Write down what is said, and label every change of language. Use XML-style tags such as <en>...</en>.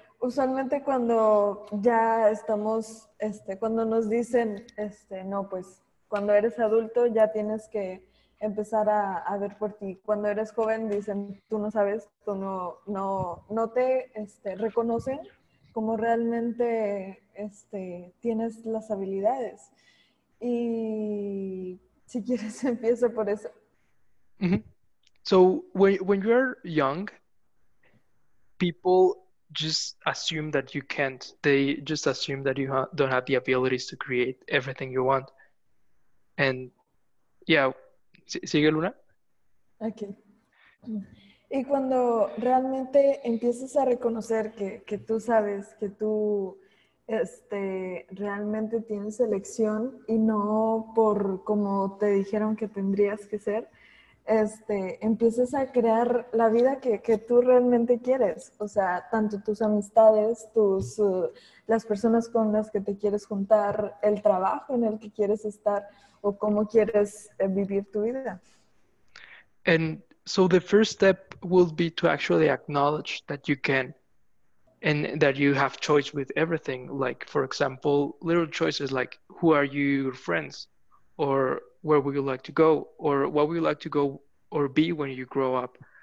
<es>Usualmente cuando ya estamos, cuando nos dicen, no, pues cuando eres adulto ya tienes que empezar a ver por ti. Cuando eres joven dicen, tú no sabes, tú no te, reconocen como realmente, tienes las habilidades. Y si quieres, empiezo por eso.</es> <en>So when you're young, people just assume that you can't. They just assume that you ha don't have the abilities to create everything you want. And yeah,</en> <es>sigue</es> <en>Luna. Okay.</en> <es>Y cuando realmente empiezas a reconocer que tú sabes que tú realmente tienes elección y no por como te dijeron que tendrías que ser, empiezas a crear la vida que tú realmente quieres. O sea, tanto tus amistades, las personas con las que te quieres juntar, el trabajo en el que quieres estar o cómo quieres vivir tu vida.</es> <en>And so the first step will be to actually acknowledge that you can and that you have choice with everything. Like, for example, little choices like who are your friends or where would you like to go or what would you like to go or be when you grow up.</en>